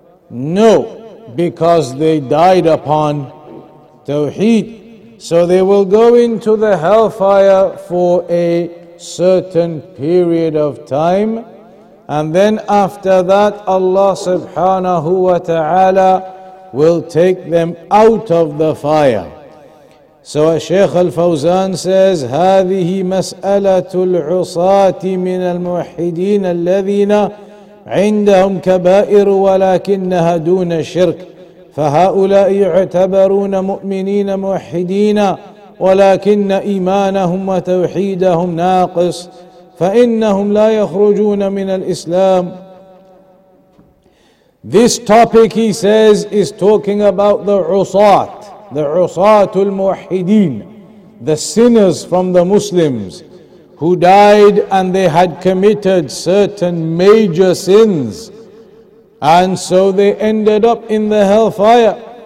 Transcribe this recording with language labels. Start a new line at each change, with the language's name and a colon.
English: No, because they died upon Tawheed. So they will go into the hellfire for a certain period of time, and then after that Allah subhanahu wa ta'ala will take them out of the fire. So Shaykh al-Fawzan says,
Arabic: هذه مسألة العصاة من الموحدين الذين عندهم كبائر ولكنها دون شرك. فهؤلاء يعتبرون مؤمنين موحدين ولكن إيمانهم وتوحيدهم ناقص فإنهم لا يخرجون من الإسلام.
English: This topic, he says, is talking about the usat al-muwahideen, the sinners from the Muslims who died and they had committed certain major sins, and so they ended up in the hellfire.